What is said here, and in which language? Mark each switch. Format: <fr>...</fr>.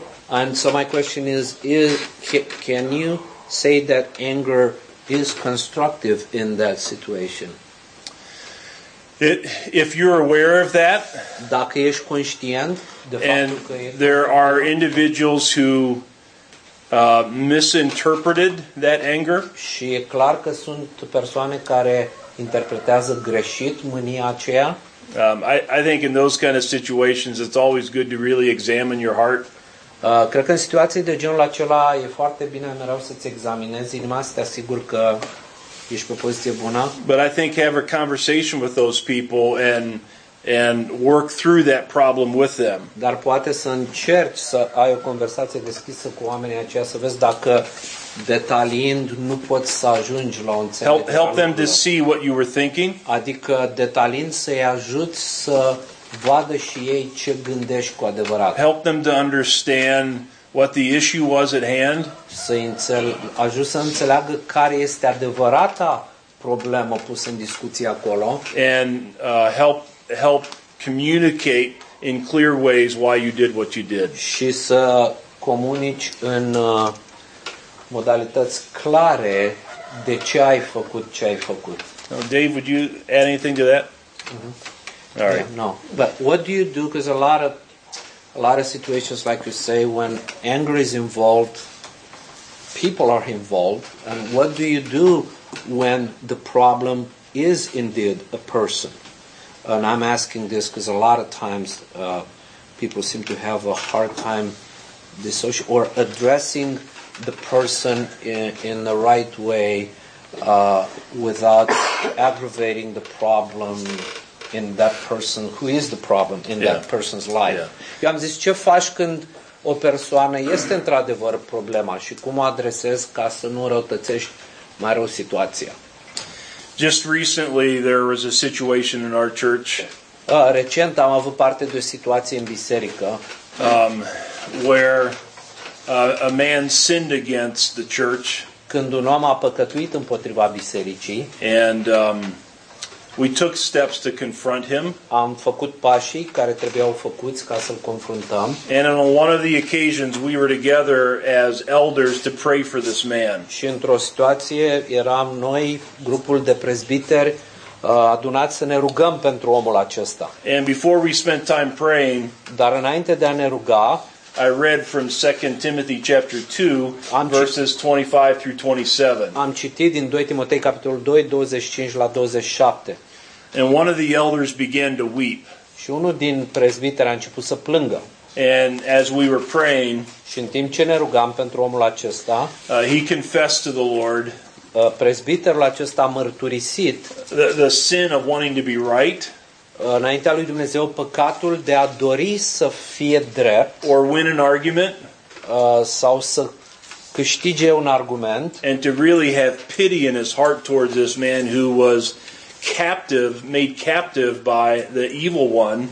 <en>And so my question is can you say that anger is constructive in that situation? If you're aware of that,</en> <ro>dacă ești conștient de faptul</ro> <en>and</en> <ro>că ești</ro> <en>there are individuals who misinterpreted that anger,</en> <ro>și e clar că sunt persoane care interpretează greșit mânia aceea,</ro> <en>I think in those kind of situations it's always good to really examine your heart.</en> <ro>Cred că în situații de genul acela e foarte bine mereu să-ți examinezi inima, să te asiguri că ești pe poziție bună.</ro> <en>But I think have a conversation with those people and work through that problem with them.</en> <ro>Dar poate să încerci să ai o conversație deschisă cu oamenii aceia, să vezi dacă detaliind nu poți să ajungi la o înțelegere.</ro> <en>Help them to see what you were thinking.</en> <ro>Adică detaliind să-i ajuți să vadă și ei ce gândești cu adevărat.</ro> <en>Help them to understand what the issue was at hand.</en> <ro>Ajut să înțeleagă care este adevărata problemă pusă în discuție acolo.</ro> <en>And help communicate in clear ways why you did what you did.</en> <ro>Și să comunici în modalități clare de ce ai făcut ce ai făcut.</ro> <en>Now, Dave, would you add anything to that? All right. Yeah, no, but what do you do? Because a lot of situations, like you say, when anger is involved, people are involved. And what do you do when the problem is indeed a person? And I'm asking this because a lot of times people seem to have a hard time dissociating or addressing the person in the right way without aggravating the problem in that person, who is the problem in that person's life.</en> <ro>Eu am zis, ce faci când o persoană este într-adevăr problema și cum o adresezi ca să nu răutățești mai rău situația?</ro> <en>Just recently there was a situation in our church.</en> <ro>Recent am avut parte de o situație în biserică</ro> <en>where a man sinned against the church.</en> <ro>Când un om a păcătuit împotriva bisericii</ro> <en>and We took steps to confront him.</en> <ro>Am făcut pașii care trebuiau făcuți ca să-l confruntăm.</ro> <en>And on one of the occasions we were together as elders to pray for this man.</en> <ro>Și într-o situație eram noi, grupul de prezbiteri, adunați să ne rugăm pentru omul acesta.</ro> <en>And before we spent time praying,</en> <ro>dar înainte de a ne ruga,</ro> <en>I read from 2 Timothy chapter 2, verses 25 through 27.</en> <ro>Am citit din 2 Timotei capitolul 2, 25 la 27.</ro> <en>And one of the elders began to weep.</en> <ro>Și unul din prezbiteri a început să plângă.</ro> <en>And as we were praying,</en> <ro>și în timp ce ne rugam pentru omul acesta,</ro> <en>he confessed to the Lord,</en> <ro>prezbiterul acesta a mărturisit</ro> <en>the sin of wanting to be right.</en> <ro>Înaintea lui Dumnezeu, păcatul de a dori să fie drept,</ro> <en>or win an argument,</en> <ro>sau să câștige un argument,</ro> <en>and to really have pity in his heart towards this man who was captive, made captive by the evil one.</en>